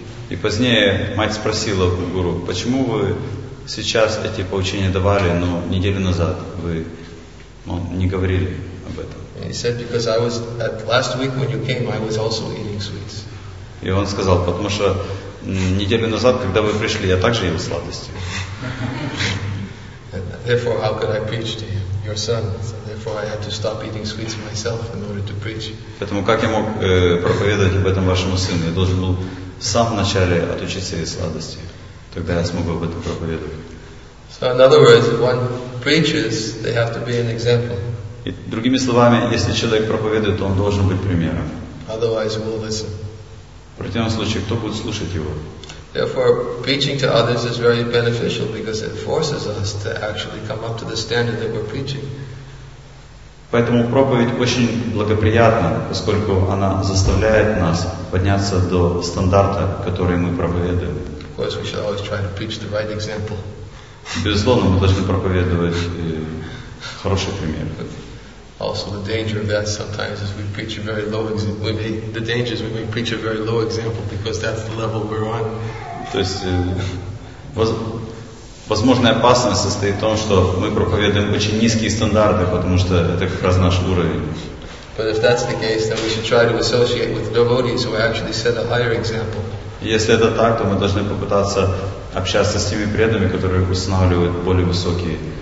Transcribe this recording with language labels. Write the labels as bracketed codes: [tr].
[ru] И позднее мать спросила гуру, почему вы сейчас эти поучения давали, но неделю назад вы не говорили об этом. [en] He said, because I was at last week when you came, I was also eating sweets. [ru] И он сказал, потому что неделю назад, когда вы пришли, я также ел сладости. [en] Therefore, how could I preach to you? Your son. So therefore, I had to stop eating sweets myself in order to preach. [ru] Поэтому как я мог проповедовать об этом вашему сыну? Я должен был сам вначале отучиться от сладости, тогда я смогу об этом проповедовать. [en] So in other words, when preachers, they have to be an example. [ru] И другими словами, если человек проповедует, то он должен быть примером. [en] Otherwise, we'll listen. [ru] В противном случае, кто будет слушать его? [en] Therefore, preaching to others is very beneficial because it forces us to actually come up to the standard that we're preaching. [ru] Поэтому проповедь очень благоприятна, поскольку она заставляет нас подняться до стандарта, который мы проповедуем. [en] Of course, we should always try to preach the right example. [ru] Безусловно, мы должны проповедовать хороший пример. [en] Also, the danger of that sometimes is we preach a very low example. The danger is we may preach a very low example because that's the level we're on. [ru] То есть возможная опасность состоит в том, что мы проповедуем очень низкие стандарты, потому что это как раз наш уровень. [en] But if that's the case, then we should try to associate with devotees who actually set a higher example. [ru] Если это так, то мы должны попытаться общаться с теми преданными, которые устанавливают более высокие